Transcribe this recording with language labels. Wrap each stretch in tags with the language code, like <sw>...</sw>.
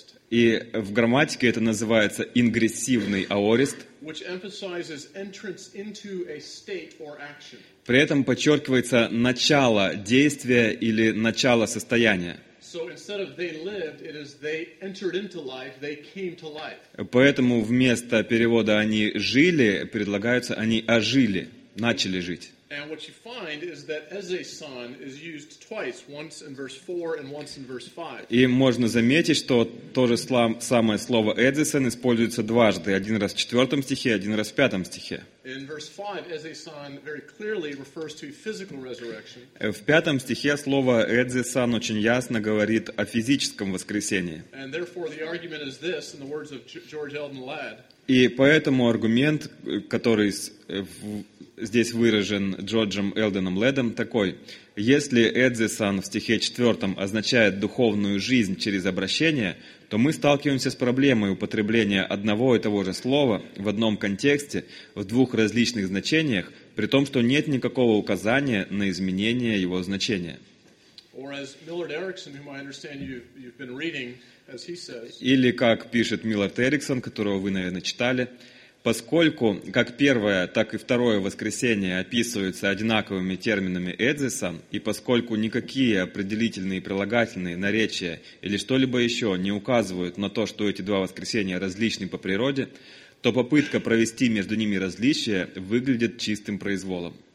<ru>И в грамматике это называется ингрессивный аорист,</ru> <en>which emphasizes entrance into a state or action.</en> <ru>При этом подчеркивается начало действия или начало состояния.</ru> <en>So instead of they lived, it is they entered into life, they came to life.</en> <ru>Поэтому вместо перевода «они жили» предлагается «они ожили», начали жить.</ru> <en>And what you find is that eisen is used twice, once in verse 4 and once in verse 5.</en> <ru>И можно заметить, что то же самое слово eisen используется дважды, один раз в 4 стихе, один раз в 5 стихе.</ru> <en>In verse 5, eisen very clearly refers to physical resurrection.</en> <ru>В 5 стихе слово eisen очень ясно говорит о физическом воскресении.</ru> <en>And therefore the argument is this, in the words of George Eldon Ladd.</en> <ru>И поэтому аргумент, который здесь выражен Джорджем Элденом Лэдом, такой. Если «эдзесан» в стихе 4 означает духовную жизнь через обращение, то мы сталкиваемся с проблемой употребления одного и того же слова в одном контексте, в двух различных значениях, при том, что нет никакого указания на изменение его значения.</ru> <en>Or as Millard Erickson, whom I understand you've been reading, as he says.</en> <ru>Или как пишет Миллард Эриксон, которого вы, наверное, читали. Поскольку как первое, так и второе воскресение описываются одинаковыми терминами «эдзиса», и поскольку никакие определительные прилагательные наречия или что-либо еще не указывают на то, что эти два воскресения различны по природе, то попытка провести между ними различия выглядит чистым произволом.</ru>